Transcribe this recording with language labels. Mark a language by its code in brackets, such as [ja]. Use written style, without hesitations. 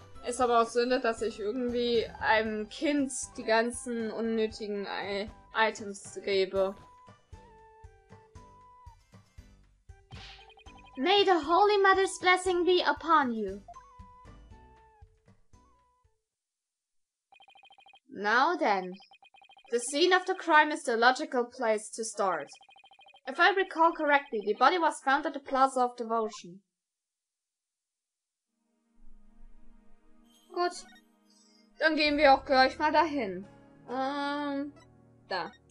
[de] Ist aber auch Sünde, dass ich irgendwie einem Kind die ganzen unnötigen Items gebe. [en] May the Holy Mother's blessing be upon you. Now then, the scene of the crime is the logical place to start. If I recall correctly, the body was found at the Plaza of Devotion. [de] Gut, dann gehen wir auch gleich mal dahin. Da.